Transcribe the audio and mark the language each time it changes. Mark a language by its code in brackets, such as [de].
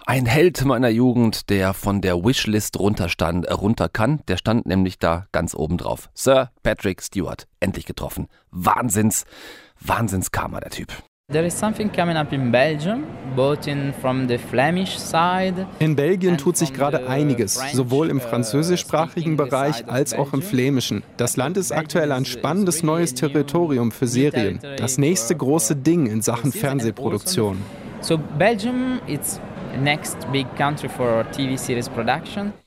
[de] Ein Held meiner Jugend, der von der Wishlist runter kann, der stand nämlich da ganz oben drauf. Sir Patrick Stewart, endlich getroffen. Wahnsinns-Karma, der Typ. [en] There is something coming up in Belgium, both in from the Flemish side. [de] In Belgien tut sich gerade einiges, sowohl im französischsprachigen Bereich als auch im flämischen. Das Land ist aktuell ein spannendes neues Territorium für Serien. Das nächste große Ding in Sachen Fernsehproduktion. [en] So Belgium is next big country for TV series production.